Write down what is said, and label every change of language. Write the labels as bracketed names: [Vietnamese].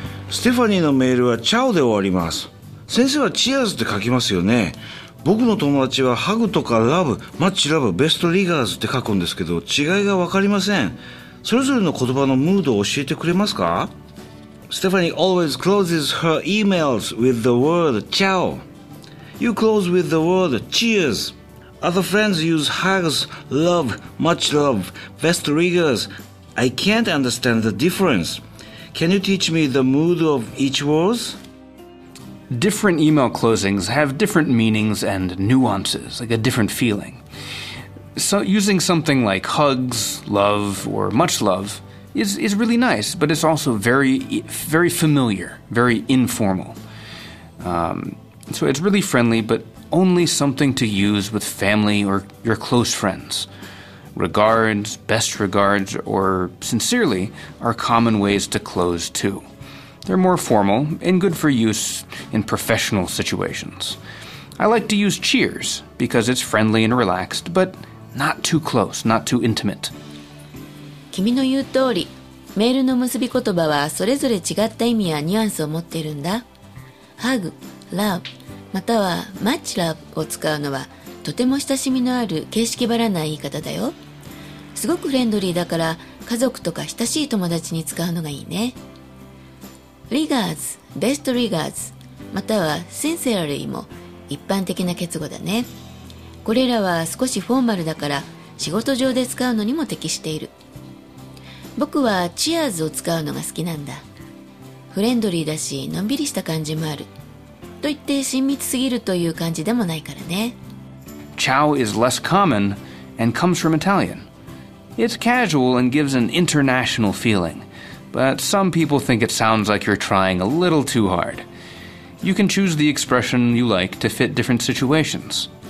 [Japanese] ステファニーのメールはチャオで終わります。先生はチアーズって書きますよね。僕の友達はハグとかラブ、マッチラブ、ベストリガーズって書くんですけど、違いがわかりません。それぞれの言葉のムードを教えてくれますか。 [English] ステファニー always closes her emails with the word ciao. You close with the word cheers. Other friends use hugs, love, much love, best regards. I can't understand the difference. Can you teach me the mood of each word? Different email closings have different meanings and nuances, like a different feeling. So using something like hugs, love, or much love is really nice, but it's also very, very familiar, very informal. So it's really friendly, but only something to use with family or your close friends. Regards, best regards, or sincerely are common ways to close too. They're more formal and good for use in professional situations. I like to use cheers because it's friendly and relaxed, but not too close, not too intimate. [Japanese] 君の言う通り、メールの結び言葉はそれぞれ違った意味やニュアンスを持っているんだ。ハグ、ラブ、またはマッチラブを使うのはとても親しみのある形式ばらない言い方だよ。すごくフレンドリーだから家族とか親しい友達に使うのがいいね。リガーズ、ベストリガーズ、またはシンセラリーも一般的な結語だね。これらは少しフォーマルだから仕事上で使うのにも適している。僕はチアーズを使うのが好きなんだ。フレンドリーだしのんびりした感じもあると、言って親密すぎるという感じでもないからね。 [English] Ciao is less common and comes from Italian. It's casual and gives an international feeling, but some people think it sounds like you're trying a little too hard. You can choose the expression you like to fit different situations.